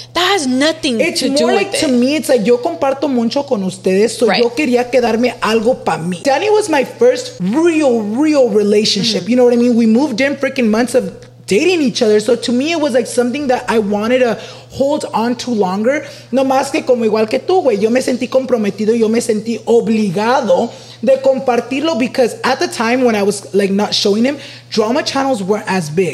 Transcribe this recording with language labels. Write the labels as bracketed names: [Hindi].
[English] That has nothing to do with it. It's more like, to me, it's like, [Spanish] yo comparto mucho con ustedes, so yo quería quedarme algo para mí. [English] Danny was my first real, real relationship, you know what I mean? We moved in freaking months of dating each other. So to me, it was like something that I wanted to hold on to longer. [Spanish] No más que como igual que tú, güey. Yo me sentí comprometido. Yo me sentí obligado de compartirlo [English] because at the time when I was like not showing him, drama channels weren't as big.